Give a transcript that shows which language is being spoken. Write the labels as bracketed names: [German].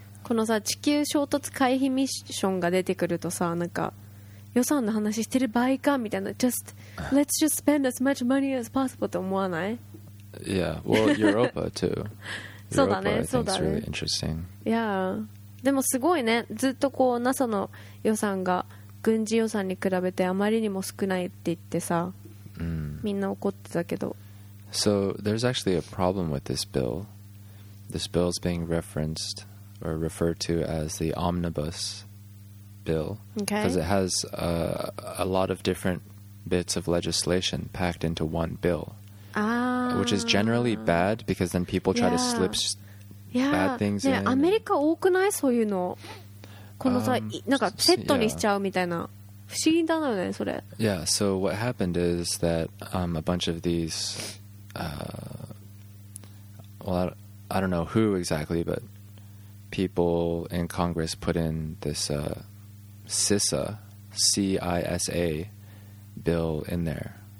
[Japanese] このさ、地球衝突回避ミッションが出てくるとさ、なんか予算の話してる場合かみたいな、 [English] just let's just spend as much money as possible [Japanese] と思わない？ [English] Yeah, well, Europa too. [Japanese] そうだね、そうだね。 [English] Europa, I think, is really interesting. Yeah. [Japanese] でもすごいね、ずっとこう NASA の予算が軍事予算に比べてあまりにも少ないって言ってさ、みんな怒ってたけど。 [English] So there's actually a problem with this bill. This bill is being referenced or referred to as the omnibus bill because it has a lot of different bits of legislation packed into one bill, which is generally bad because then people try to slip bad things in. [Japanese] アメリカ多くない?そういうの。このさ、なんかセットにしちゃうみたいな。不思議だよね、それ。 [English] Yeah, so what happened is that a bunch of these, I don't know who exactly, but people in Congress put in this CISA bill in there.